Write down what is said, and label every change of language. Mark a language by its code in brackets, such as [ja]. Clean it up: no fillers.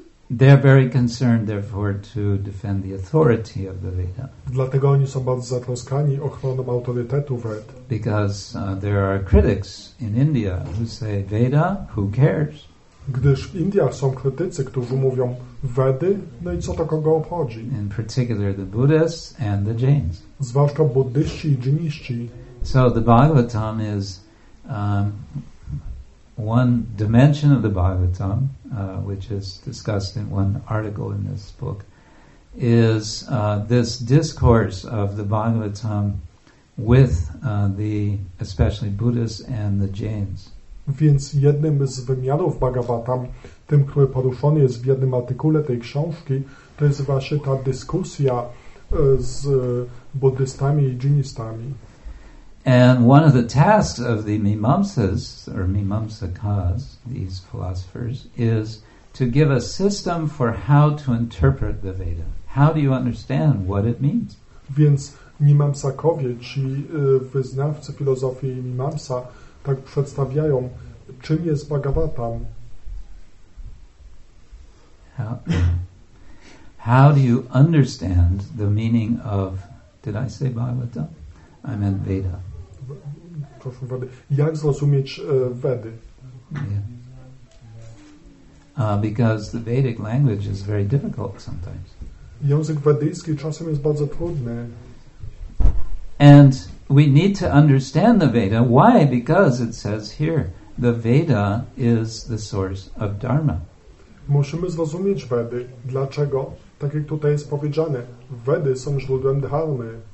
[en] They're very concerned, therefore, to defend the authority of the Veda. [pl] Dlatego oni są bardzo zatroskani ochroną autorytetu Ved. [en] Because there are critics in India who say, Veda, who cares? [pl] Gdyż w Indiach są krytycy, którzy mówią, Wedy, no i co to kogo obchodzi? [en] In particular, the Buddhists and the Jains. [pl] Zwłaszcza buddyści i dżiniści. [en] So the Bhagavatam is one dimension of the Bhagavatam, which is discussed in one article in this book, is this discourse of the Bhagavatam with the especially Buddhists and the Jains. [pl] Więc jednym z wymiarów Bhagavatam, tym, który poruszony jest w jednym artykule tej książki, to jest właśnie ta dyskusja z buddystami i dżinistami. [en] And one of the tasks of the Mimamsas, or Mimamsakas, these philosophers, is to give a system for how to interpret the Veda. How do you understand what it means? [pl] Więc Mimamsakowie, czyli wyznawcy filozofii Mimamsa, tak przedstawiają, czym jest Bhagavatam. [en] How do you understand the meaning of, did I say Bhagavatam? I meant Veda. [pl] Jak zrozumieć Wedy? [en] Yeah. Because the Vedic language is very difficult sometimes. [pl] Język wedyjski czasem jest bardzo trudny. [en] And we need to understand the Veda. Why? Because it says here, the Veda is the source of Dharma. [pl] Musimy zrozumieć Wedy. Dlaczego? Tak jak tutaj jest powiedziane, Wedy są źródłem Dharmy.